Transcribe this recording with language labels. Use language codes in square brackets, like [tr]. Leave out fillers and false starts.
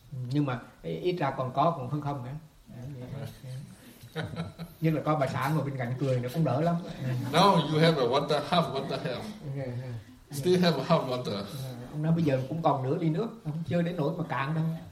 [vi] Nhưng mà ít ra còn có còn hơn không nữa. Nhất là có bà xã ngồi bên cạnh cười nó cũng đỡ lắm. [en] No, you have a water, half water help. Still have a half water. [vi] Ông nói bây giờ cũng còn nửa ly nước, không chơi đến nỗi mà cạn đâu.